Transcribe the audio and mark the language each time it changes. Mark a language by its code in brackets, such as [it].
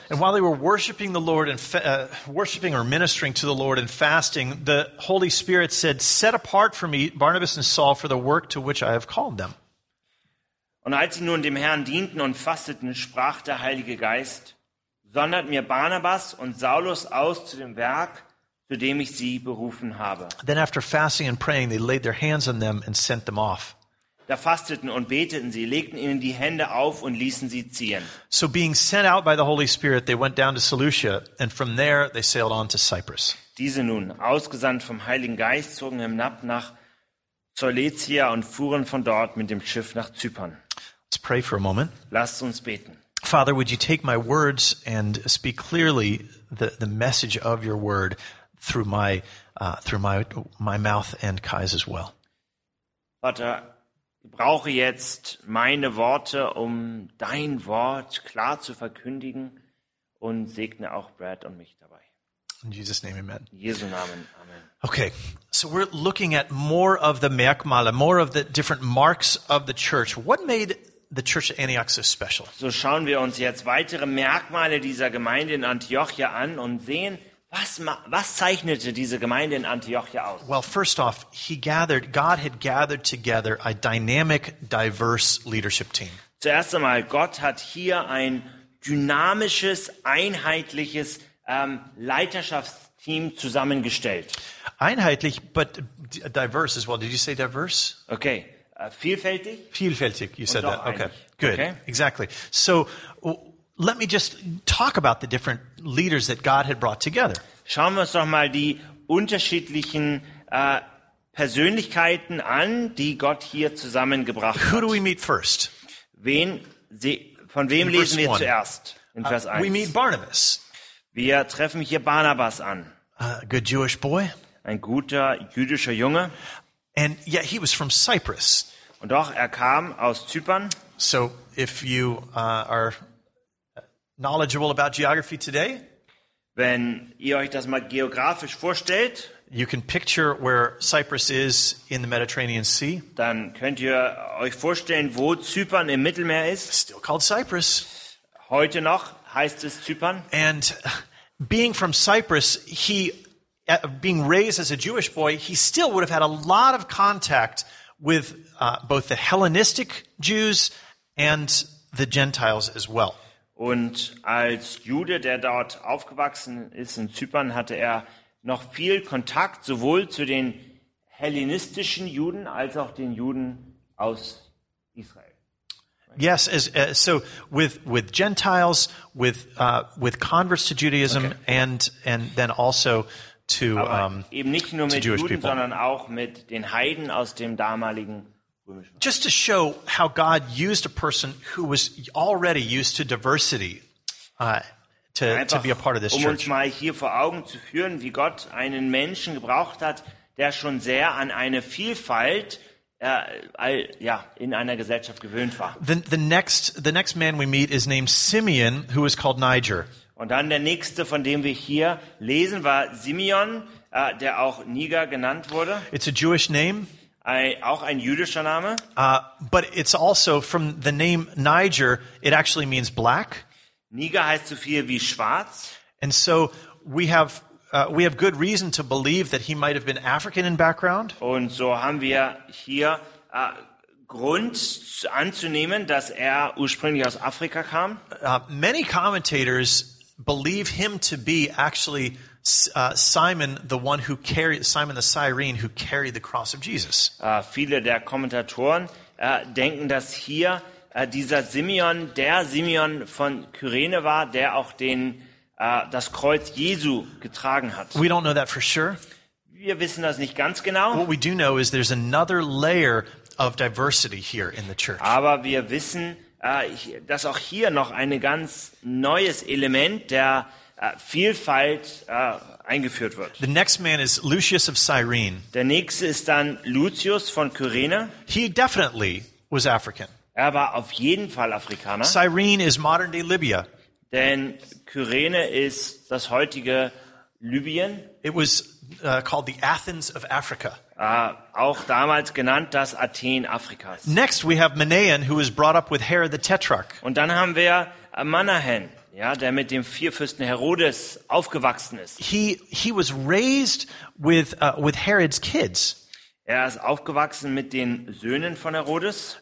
[en] And while they were worshiping the Lord and worshiping or ministering to the Lord and fasting, the Holy Spirit said, "Set apart for me Barnabas and Saul for the work to which I have called them." [de] Und als sie nun dem Herrn dienten und fasteten, sprach der Heilige Geist: "Sondert mir Barnabas und Saulus aus zu dem Werk, zu dem ich sie berufen habe." [en] Then after fasting and praying, they laid their hands on them and sent them off. [de] Da fasteten und beteten sie, legten ihnen die Hände auf und ließen sie ziehen. [en] So being sent out by the Holy Spirit, they went down to Seleucia, and from there they sailed on to Cyprus. [de] Diese nun, ausgesandt vom Heiligen Geist, zogen hinab nach Seleucia und fuhren von dort mit dem Schiff nach Zypern. [en] Let's pray for a moment. [de] Lasst uns beten. [en] Father, would you take my words and speak clearly the message of your word through my mouth and Kai's as well. [de] Vater, ich brauche jetzt meine Worte, um dein Wort klar zu verkündigen, und segne auch Brad und mich dabei. [en] In Jesus' name, amen. [de] In Jesu Namen, amen. [en] Okay, so we're looking at more of the Merkmale, more of the different marks of the church. What made the church at Antioch so special? [de] So schauen wir uns jetzt weitere Merkmale dieser Gemeinde in Antiochia an und sehen, was zeichnete diese Gemeinde in Antiochia aus? [en] Well, first off, God had gathered together a dynamic, diverse leadership team. [de] Zuerst einmal, Gott hat hier ein dynamisches, einheitliches Leiterschaftsteam Team zusammengestellt. [en] Einheitlich, but diverse as well. Did you say diverse? [de] Okay. Vielfältig. [en] Vielfältig, you said that. Okay, good. Okay. Exactly. So let me just talk about the different leaders that God had brought together. [de] Schauen wir uns doch mal die unterschiedlichen Persönlichkeiten an, die Gott hier zusammengebracht hat. [en] Who do we meet first? [de] Von wem lesen wir zuerst? In Vers 1. [en] We meet Barnabas. [de] Wir treffen hier Barnabas an. [en] A good Jewish boy. [de] Ein guter jüdischer Junge. [en] And yet he was from Cyprus. [de] Und doch er kam aus Zypern. [en] So if you are knowledgeable about geography today, [de] wenn ihr euch das mal geografisch vorstellt, [en] you can picture where Cyprus is in the Mediterranean Sea. [de] Dann könnt ihr euch vorstellen, wo Zypern im Mittelmeer ist. [en] Still called Cyprus. [de] Heute noch heißt es Zypern. [en] And being from Cyprus, he being raised as a Jewish boy, he still would have had a lot of contact with both the Hellenistic Jews and the Gentiles as well. [de] Und als Jude, der dort aufgewachsen ist in Zypern, hatte er noch viel Kontakt sowohl zu den hellenistischen Juden als auch den Juden aus Israel. [en] Yes, so with Gentiles, with converts to Judaism, okay. and then also to [de] eben nicht nur mit Juden, sondern auch mit den Heiden aus dem damaligen römischen. [en] Just to show how God used a person who was already used to diversity to be a part of this church. [de] Um uns mal hier vor Augen zu führen, wie Gott einen Menschen gebraucht hat, der schon sehr an eine Vielfalt in einer Gesellschaft gewöhnt war. [en] The next man we meet is named Simeon, who is called Niger. [de] Und dann der nächste, von dem wir hier lesen, war Simeon, der auch Niger genannt wurde. [en] It's a Jewish name. [de] Auch ein jüdischer Name. [en] But it's also from the name Niger, it actually means black. [de] Niger heißt so viel wie schwarz. [en] And so we have good reason to believe that he might have been African in background. [de] Und so haben wir hier Grund anzunehmen, dass er ursprünglich aus Afrika kam. [en] Many commentators believe him to be actually Simon the Cyrene, who carried the cross of Jesus. [de] Viele der Kommentatoren denken, dass hier dieser Simeon, der Simeon von Kyrene war, der auch das Kreuz Jesu getragen hat. [en] We don't know that for sure. [de] Wir wissen das nicht ganz genau. [en] What we do know is there's another layer of diversity here in the church. [de] Aber wir wissen, dass auch hier noch ein ganz neues Element der Vielfalt eingeführt wird. [en] The next man is Lucius of Cyrene. [de] Der nächste ist dann Lucius von Kyrene. [en] He definitely was African. [de] Er war auf jeden Fall Afrikaner. [en] Cyrene is modern day Libya. [de] Denn Kyrene ist das heutige Libyen. [en] It was called the Athens of Africa. [de] Auch damals genannt das Athen Afrikas. [en] Next we have Manahen, who was brought up with Herod the Tetrarch. [de] Und dann haben wir Manahen, ja, der mit dem Vierfürsten Herodes aufgewachsen ist. [en] He was raised with Herod's kids. [de] Er ist aufgewachsen mit den Söhnen von Herodes.